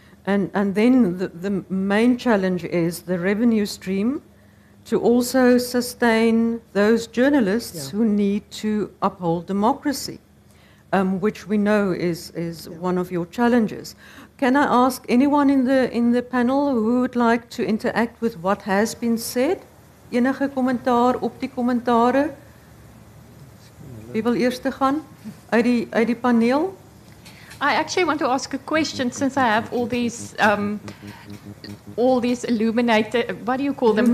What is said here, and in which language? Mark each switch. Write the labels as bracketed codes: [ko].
[en] And then the main challenge is the revenue stream to also sustain those journalists who need to uphold democracy. Which we know is one of your challenges. Can I ask anyone in the panel who would like to interact with what has been said? [af] Enige kommentaar op die kommentare? Wie wil eers te gaan uit die paneel? [en] I actually want to ask a question, since I have all these illuminated, what do you call them?